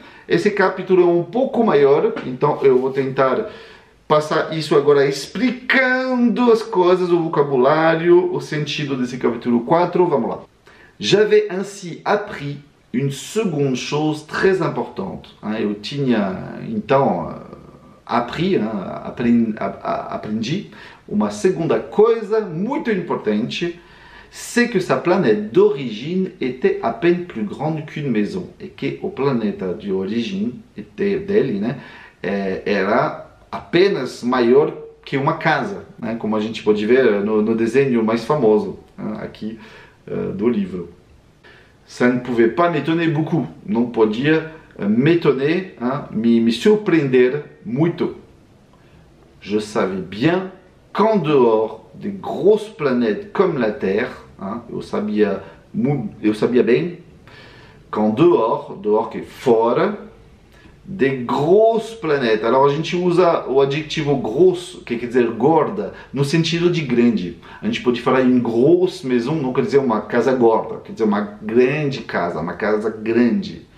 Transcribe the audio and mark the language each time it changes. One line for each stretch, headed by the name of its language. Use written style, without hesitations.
Portuguese: Esse capítulo é um pouco maior. Então, eu vou tentar passar isso agora explicando as coisas, o vocabulário, o sentido desse capítulo 4. Vamos lá.
French: J'avais ainsi appris une seconde chose très importante.
Portuguese: Eu tinha, então, aprendi uma segunda coisa muito importante.
French: C'est que sa planète d'origine était à peine plus grande qu'une maison. Et que
Portuguese: o planeta de origem dele, né, era apenas maior que uma casa, né, como a gente pode ver no desenho mais famoso, aqui do livro.
French: Ça ne pouvait pas m'étonner beaucoup.
Portuguese: Não podia
French: m'étonner,
Portuguese: me surpreender muito.
French: Je savais bien qu'en dehors des grosses planètes comme la Terre,
Portuguese: eu sabia bem
French: qu'en dehors
Portuguese: que fora,
French: des grosses planètes.
Portuguese: Alors, a gente usa o adjetivo grosso, que quer dizer gorda, no sentido de grande. A gente pode falar em grosse maison, não quer dizer uma casa gorda, quer dizer uma casa grande.